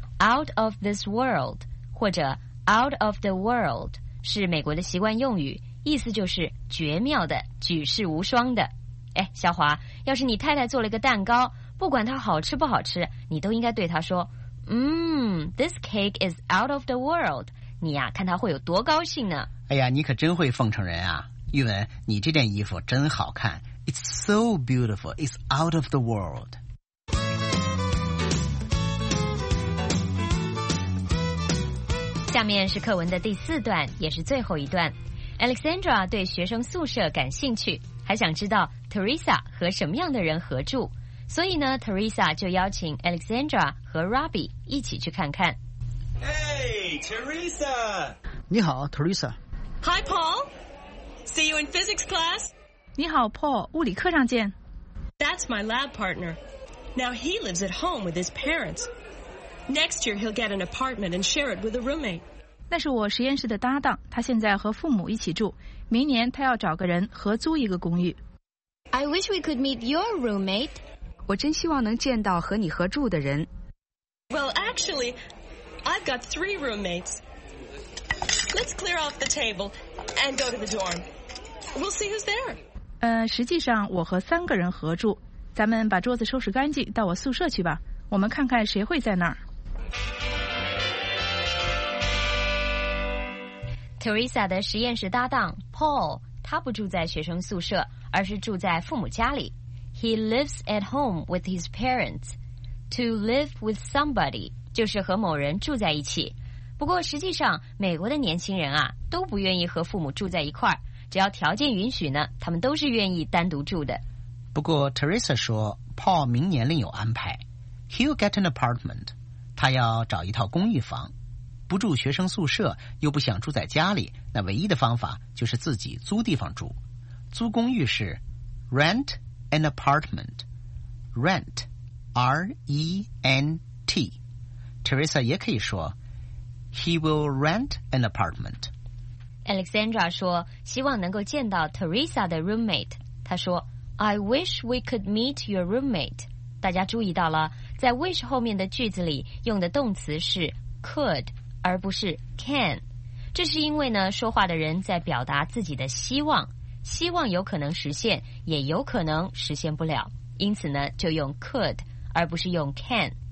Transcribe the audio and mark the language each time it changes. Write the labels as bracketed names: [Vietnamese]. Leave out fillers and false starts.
[English] Out of this world [Chinese] 或者 [English] out of the world [Chinese] 是美国的习惯用语，意思就是绝妙的，举世无双的。哎，小华，要是你太太做了一个蛋糕，不管它好吃不好吃，你都应该对它说， [English] this cake is out of the world。 [Chinese] 你呀，看它会有多高兴呢？哎呀，你可真会奉承人啊。玉文，你这件衣服真好看。 [English] It's so beautiful, it's out of the world。 [Chinese] 下面是课文的第四段，也是最后一段。Alexandra 对学生宿舍感兴趣，还想知道 Teresa 和什么样的人合住。所以呢 ，Teresa 就邀请 Alexandra 和 Robbie 一起去看看。 [English] Hey, Teresa！ [Chinese] 你好 ，Teresa。 [English] Hi, Paul. See you in physics class. [Chinese] 你好 ，Paul， 物理课上见。 [English] That's my lab partner. Now he lives at home with his parents. Next year he'll get an apartment and share it with a roommate. [Chinese] 那是我实验室的搭档，他现在和父母一起住。明年他要找个人合租一个公寓。 [English] I wish we could meet your roommate. [Chinese] 我真希望能见到和你合住的人。 [English] Well, actually, I've got three roommates. Let's clear off the table and go to the dorm. We'll see who's there. [Chinese] 实际上我和三个人合住。咱们把桌子收拾干净，到我宿舍去吧。我们看看谁会在那儿。 Teresa 的实验室搭档 Paul， 他不住在学生宿舍，而是住在父母家里。 [English] He lives at home with his parents. To live with somebody [Chinese] 就是和某人住在一起。不过实际上美国的年轻人啊都不愿意和父母住在一块儿，只要条件允许呢，他们都是愿意单独住的。不过 Teresa 说 Paul 明年另有安排。 [English] He'll get an apartment. [Chinese] 他要找一套公寓房。不住学生宿舍又不想住在家里，那唯一的方法就是自己租地方住。租公寓是 [English] rentAn apartment, rent, R-E-N-T. Teresa [Chinese] 也可以说 [English] ,He will rent an apartment. [Chinese] Alexandra 说希望能够见到 Teresa 的 roommate. 她说 [English] ,I wish we could meet your roommate. [Chinese] 大家注意到了，在 wish 后面的句子里用的动词是 could, 而不是 can. 这是因为呢，说话的人在表达自己的希望。希望有可能实现，也有可能实现不了，因此呢就用 could 而不是用 can。